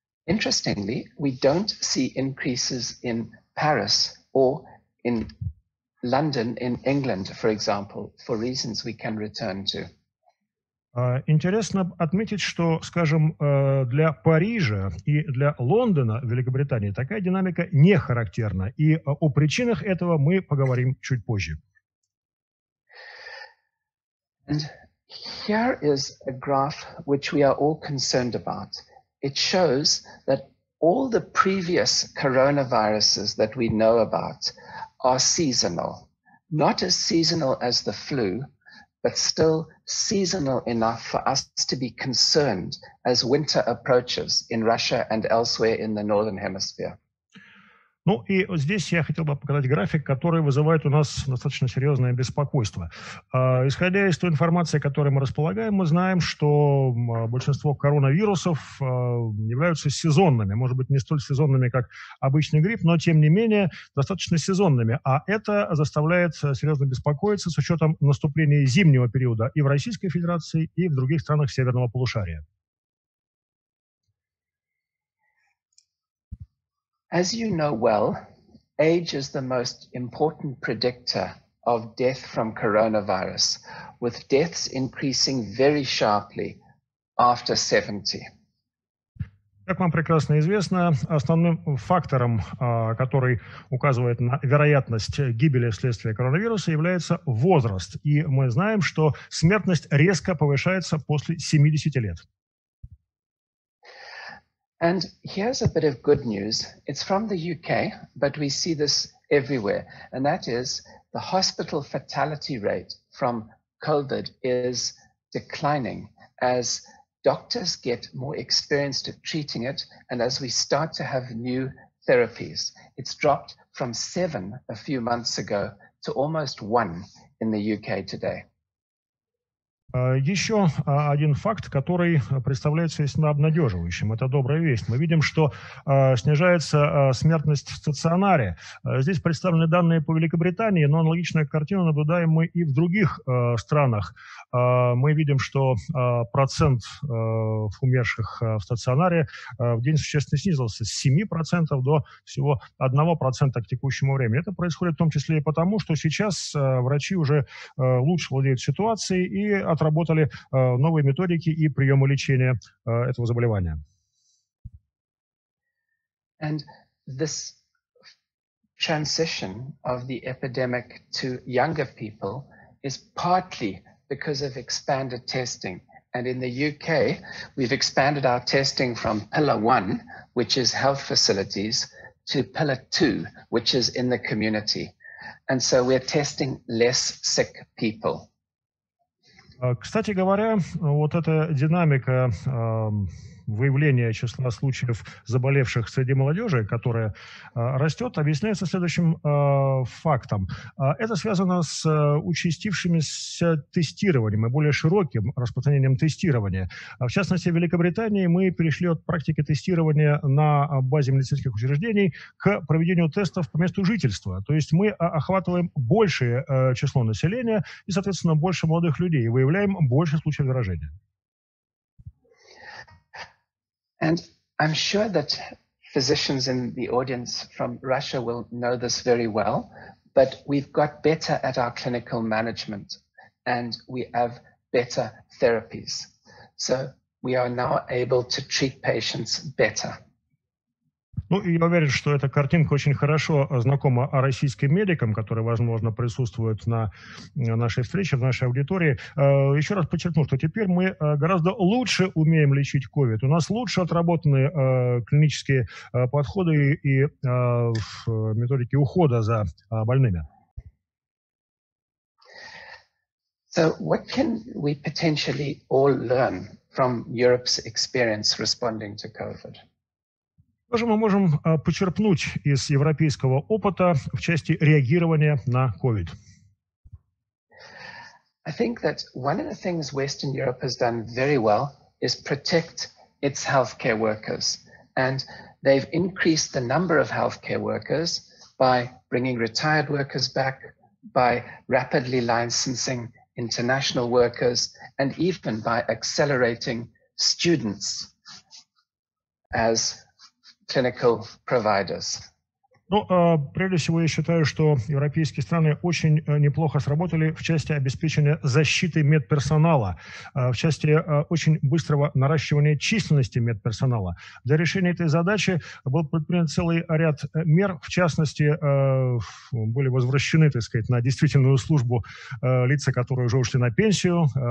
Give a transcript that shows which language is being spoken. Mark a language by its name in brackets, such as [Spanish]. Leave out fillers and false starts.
[English] Interestingly, we don't see increases in Paris or in London in England, for example, for reasons we can return to. [Russian] Интересно отметить, что, скажем, для Парижа и для Лондона в Великобритании такая динамика не характерна, и о причинах этого мы поговорим чуть позже. [English] And here is a graph which we are all concerned about. It shows that all the previous coronaviruses that we know about are seasonal, not as seasonal as the flu, but still seasonal enough for us to be concerned as winter approaches in Russia and elsewhere in the Northern Hemisphere. [Russian] Ну и вот здесь я хотел бы показать график, который вызывает у нас достаточно серьезное беспокойство. Исходя из той информации, которую мы располагаем, мы знаем, что большинство коронавирусов являются сезонными. Может быть, не столь сезонными, как обычный грипп, но, тем не менее, достаточно сезонными. А это заставляет серьезно беспокоиться с учетом наступления зимнего периода и в Российской Федерации, и в других странах Северного полушария. [English] As you know well, age is the most important predictor of death from coronavirus, with deaths increasing very sharply after 70. [Russian] Как вам прекрасно известно, основным фактором, который указывает на вероятность гибели вследствие коронавируса, является возраст. И мы знаем, что смертность резко повышается после 70 лет. [English] And here's a bit of good news. It's from the UK, but we see this everywhere. And that is the hospital fatality rate from COVID is declining as doctors get more experienced at treating it and as we start to have new therapies. It's dropped from 7 a few months ago to almost 1 in the UK today. [Russian] Еще один факт, который представляется весьма обнадеживающим, это добрая весть. Мы видим, что снижается смертность в стационаре. Здесь представлены данные по Великобритании, но аналогичную картину наблюдаем мы и в других странах. Мы видим, что процент умерших в стационаре в день существенно снизился с 7% до всего 1% к текущему времени. Это происходит в том числе и потому, что сейчас врачи уже лучше владеют ситуацией и отработали новые методики и приемы лечения этого заболевания. [English] And this transition of the epidemic to younger people is partly because of expanded testing. And in the UK, we've expanded our testing from pillar one, which is health facilities, to pillar two, which is in the community. And so we're testing less sick people. [Russian] Кстати говоря, вот эта динамика выявления числа случаев заболевших среди молодежи, которая растет, объясняется следующим фактом. Это связано с участившимся тестированием и более широким распространением тестирования. В частности, в Великобритании мы перешли от практики тестирования на базе медицинских учреждений к проведению тестов по месту жительства. То есть мы охватываем большее число населения и, соответственно, больше молодых людей и выявляем больше случаев заражения. [English] And I'm sure that physicians in the audience from Russia will know this very well, but we've got better at our clinical management and we have better therapies. So we are now able to treat patients better. [Russian] Ну, и я уверен, что эта картинка очень хорошо знакома российским медикам, которые, возможно, присутствуют на нашей встрече, в нашей аудитории. Еще раз подчеркну, что теперь мы гораздо лучше умеем лечить COVID. У нас лучше отработаны клинические подходы и методики ухода за больными. [English] So what can we potentially all learn from Europe's experience responding to COVID? [Russian] Что же мы можем почерпнуть из европейского опыта в части реагирования на COVID? [English] I think that one of the things Western Europe has done very well is protect its healthcare workers. And they've increased the number of healthcare workers by bringing retired workers back, by rapidly licensing international workers, and even by accelerating students as clinical providers. [Russian] Ну, прежде всего, я считаю, что европейские страны очень неплохо сработали в части обеспечения защиты медперсонала, в части очень быстрого наращивания численности медперсонала. Для решения этой задачи был предпринят целый ряд мер, в частности, были возвращены, так сказать, на действительную службу лица, которые уже ушли на пенсию.